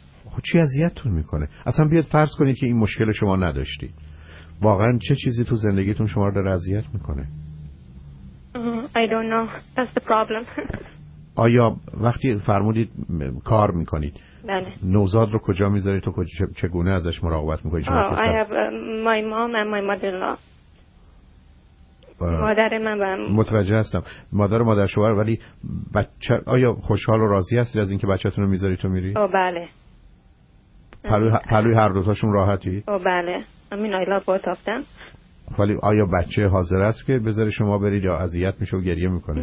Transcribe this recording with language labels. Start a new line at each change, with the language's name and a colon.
Persian: خب چی اذیتتون میکنه؟ اصلا بیاد فرض کنید که این مشکل شما نداشتی. واقعا چه چیزی تو زندگیتون شما رو داره اذیت میکنه؟
English: I don't know. That's the problem.
Persian: آیا وقتی فرمودید کار میکنید، بله، نوزاد رو کجا میذارید؟ تو چگونه ازش مراقبت میکنید؟
English: I have my mom and my mother-in-law.
Persian: مادر من بهم متوجه هستم، مادر و مادر شوهر. ولی بچه آیا خوشحال و راضی هستید از اینکه بچه تون رو میذارید تو میری؟ بله. پلوی هر دوتاشون راحتی؟ بله.
English: I mean I love both of them.
Persian: ولی آیا بچه حاضر است که بذاره شما برید یا اذیت میشه و گریه میکنه؟